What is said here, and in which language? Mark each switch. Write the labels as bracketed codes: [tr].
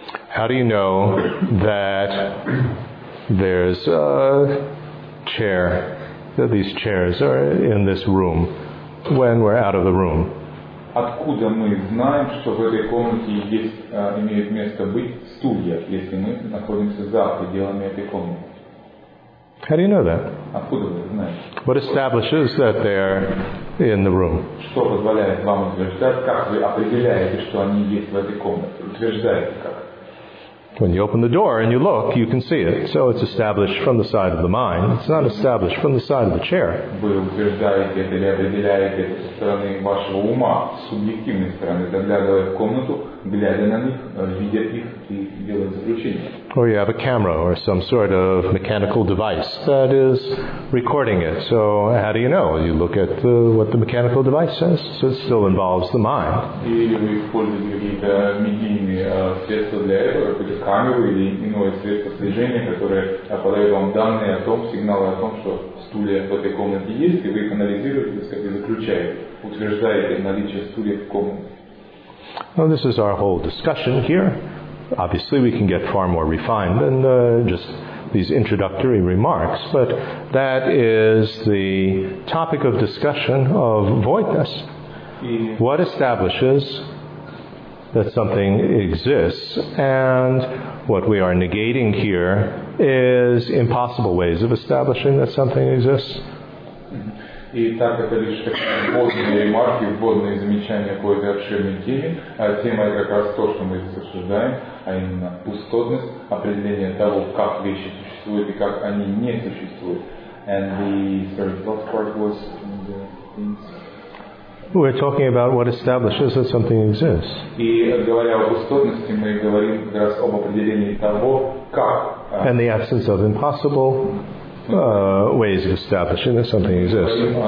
[en] How do you know that there's a chair, that these chairs are in this room when we're out of the room? [ru] Откуда мы знаем, что в этой комнате есть, имеют место быть стулья, если мы находимся за пределами этой комнаты? [en] How do you know that? [ru] Откуда вы знаете? [en] What establishes that they're in the room? [ru] Что позволяет вам утверждать, как вы определяете, что они есть в этой комнате? Утверждаете как? [en] When you open the door and you look, you can see it. So it's established from the side of the mind. It's not established from the side of the chair. [ru] Вы утверждаете или определяете со стороны вашего ума, с субъективной стороны, заглядывая в комнату, глядя на них, видя их и делая заключение. [en] Or you have a camera or some sort of mechanical device that is recording it. So how do you know? You look at what the mechanical device says. So it still involves the mind. [ru] Или вы используете какие-то медийные средства для этого, какие-то камеры или иное средство слежения, которое подает вам данные о том, сигналы о том, что стулья в этой комнате есть, и вы их анализируете, как и заключаете, утверждаете наличие стулья в комнате. [en] Well, this is our whole discussion here. Obviously, we can get far more refined than just these introductory remarks, but that is the topic of discussion of voidness. What establishes that something exists, and what we are negating here is impossible ways of establishing that something exists. [ru] И так это лишь такие вводные ремарки, вводные замечания по этой обширной теме. А тема как раз то, что мы здесь обсуждаем, а именно пустотность, определение того, как вещи существуют и как они не существуют. [en] And the third part was the things. We're talking about what establishes that something exists. [ru] И говоря о пустотности, мы говорим как раз об определении того, как. [en] And the absence of impossible. Ways of establishing that something exists.